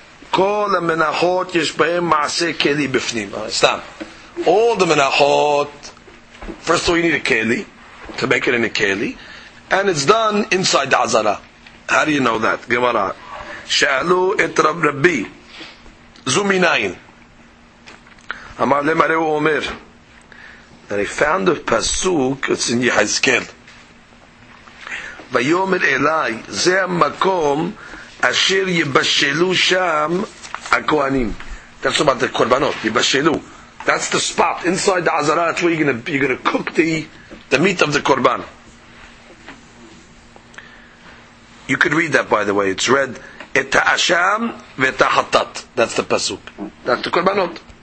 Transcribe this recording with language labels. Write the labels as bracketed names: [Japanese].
[Hebrew] כל המנחות יש בהם מעשה כלי בפנים. סתם. [English] All the מנחות, first of all, you need a כלי, to make it in a כלי, and it's done inside the עזרה. How do you know that? [Hebrew] גמרא. שאלו את רבי, זו מניין. אמר להם, הרי הוא אומר, [English] and I found a פסוק, it's in יחזקאל. [Hebrew] ויאמר אליי, זה המקום אשר יבשלו שם הכהנים. [English] That's about the korbanot. יבשלו. That's the spot inside the azara. That's where you're gonna cook the meat of the korban. You could read that, by the way. It's read [Hebrew] et ha'asham v'et ha'hatat. [English] That's the pasuk. That's the korbanot.